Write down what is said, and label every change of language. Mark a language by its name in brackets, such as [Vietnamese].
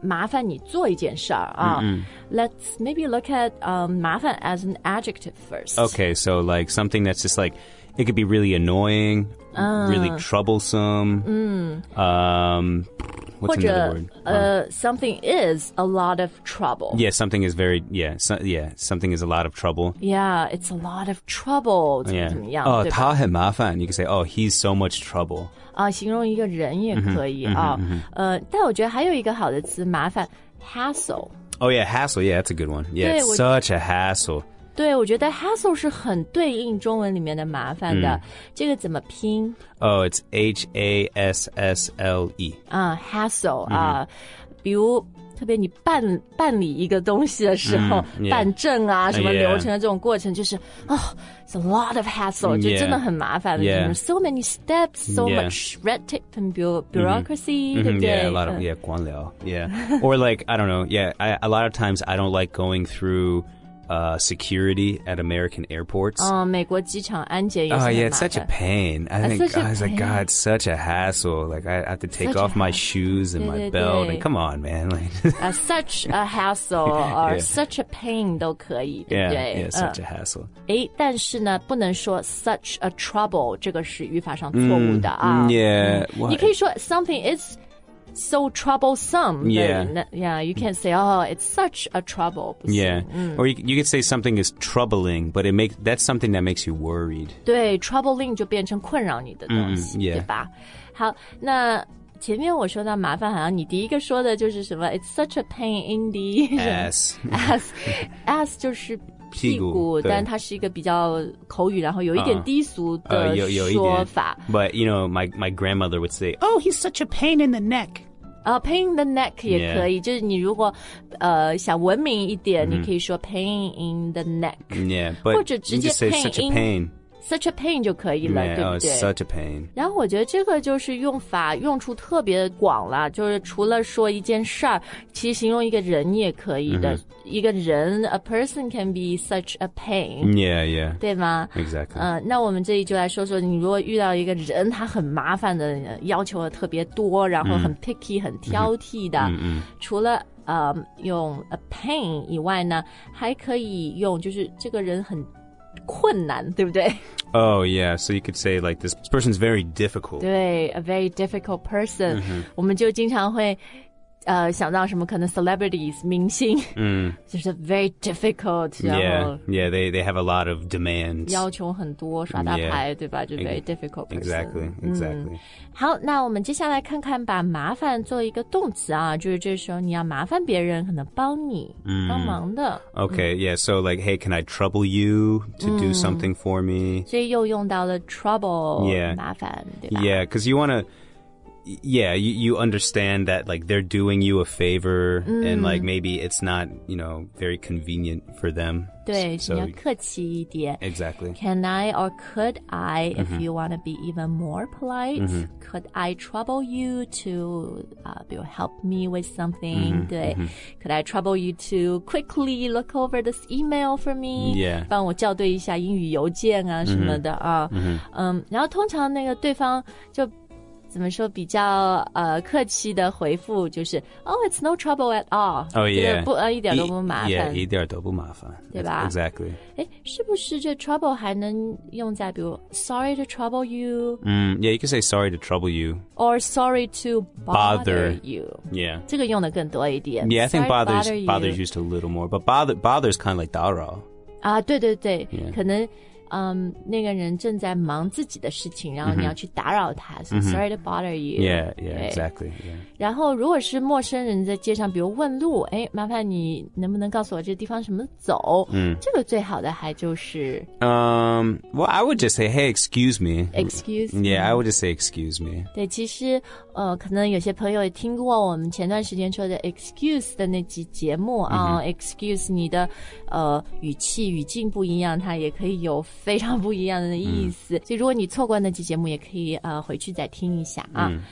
[Chinese] 麻烦你做一件事儿啊。 [English] Mm-hmm. Let's maybe look at、 [Chinese] 麻烦 [English] as an adjective first. Okay, so like something that's just like it could be really annoying、really troublesome、What's another word? Something is a lot of trouble. Yeah, something is very, yeah, so, yeah, something is a lot of trouble. Yeah, it's a lot of trouble. [Chinese] Yeah. Oh, 他很麻烦. [English] You can say, oh, he's so much trouble. [Chinese] 啊、形容一个人也可以啊、 mm-hmm, mm-hmm, 但我觉得还有一个好的词麻烦 [English] hassle. Oh, yeah, hassle. Yeah, that's a good one. Yeah, it's such a hassle. [Chinese] 对，我觉得 [English] hassle [Chinese] 是很对应中文里面的麻烦的。这个怎么拼？ [English] Oh, it's H-A-S-S-L-E. Hassle. Mm-hmm. [Chinese] 比如特别你办理一个东西的时候、办证啊什么流程的这种过程就是、 [English] it's a lot of hassle、 [Chinese] 就真的很麻烦的、 [English] so many steps, so、much red tape and bureaucracy、 [Chinese] 对不对 [English] yeah, a lot of, yeah, [Chinese] 官僚 [English] yeah. Or like, I don't know, yeah, a lot of times I don't like going throughsecurity at American airports. Oh, [Chinese] 美国机场安检也是 [English] 很麻烦。 Oh, yeah, it's such a pain. I think, I was like, God, it's such a hassle. Like, I have to take off my shoes and my belt. And come on, man. such a hassle or such a pain [Chinese] 都可以，对不对？ [English] Yeah, such a hassle. [Chinese] 诶，但是呢，不能说 [English] such a trouble. [Chinese] 这个是语法上错误的啊。 [English] Yeah. [Chinese] 你可以说 [English] something is... So troublesome. Yeah. Yeah. You can't say, oh, it's such a trouble. Yeah. Or you could say something is troubling, but that's something that makes you worried. [Chinese] 对 troubling 就变成困扰你的东西、对吧好那前面我说到麻烦好像你第一个说的就是什么 [English] it's such a pain in the ass. [Chinese] ass 就是屁股但它是一个比较口语然后有一点低俗的说法 [English] But you know my grandmother would say Oh he's such a pain in the neck Pain in the neck [Chinese] 也可以、就是你如果、想文明一点、你可以说 [English] pain in the neck Yeah but [Chinese] 或者直接 [English] you can just say such a pain Such a pain [Chinese] 就可以了 [English] yeah, [Chinese] 对不对、 [English] such a pain [Chinese] 然后我觉得这个就是用法用处特别广了就是除了说一件事儿其实形容一个人也可以的、一个人 [English] A person can be such a pain Yeah, yeah [Chinese] 对吗 [English] Exactly、 [Chinese] 那我们这里就来说说你如果遇到一个人他很麻烦的要求特别多然后很 picky、很挑剔的、除了用 [English] a pain [Chinese] 以外呢还可以用就是这个人很困难对不对 [English] Oh yeah So you could say like This person's very difficult [Chinese] 对 [English] A very difficult person、 [Chinese] 我们就经常会、想到什么可能 celebrities 明星、 [English] Just a very difficult Yeah Yeah they have a lot of demands [Chinese] 要求很多耍大牌、对吧就 [English] very difficult person Exactly Exactly、 [Chinese] 好那我们接下来看看把麻烦做一个动词啊就是这时候你要麻烦别人可能帮你、帮忙的 [English] Okay、yeah so like Hey can I trouble you To、do something for me [Chinese] 所以又用到了 trouble [English] Yeah [Chinese] 麻烦对吧 [English] Yeah cause you wanna Yeah you understand that like They're doing you a favor、And like maybe it's not You know very convenient for them [Chinese] 对、 [English] so, [Chinese] 你要客气一点 [English] Exactly Can I or could I、If you want to be even more polite、Could I trouble you to、Help me with something、 [Chinese] 对、 [English] Could I trouble you to Quickly look over this email for me Yeah [Chinese] 帮我校对一下英语邮件啊什么的啊、然后通常那个对方就怎么说比较客气的回复就是 [English] Oh, it's no trouble at all. Oh, yeah. [Chinese] 就是不一点都不麻烦。 [English] Yeah, 一点都不麻烦。 [Chinese] 对吧 [English] Exactly. [Chinese] 是不是这 trouble 还能用在比如 [English] Sorry to trouble you. Yeah, you can say sorry to trouble you. Or sorry to bother you. Yeah. [Chinese] 这个用的更多一点。 [English] Yeah, I think bother is used a little more. But bother is kind of like [Chinese] 打扰。啊，对对对，可能那个人正在忙自己的事情，然后你要去打扰他、 [English] mm-hmm. so sorry to bother you. Yeah, yeah, exactly. Yeah. [Chinese] 然后如果是陌生人在街上，比如问路，哎，麻烦你能不能告诉我这地方什么走？这个最好的还就是 [English] Well, I would just say, hey, excuse me. Excuse me. Yeah, I would just say excuse me. [Chinese] 对，其实可能有些朋友也听过我们前段时间说的 excuse 的那集节目啊、 [English] mm-hmm. [Chinese] excuse 你的语气语境不一样，它也可以有非常不一样的意思、所以如果你错过那期节目也可以回去再听一下啊。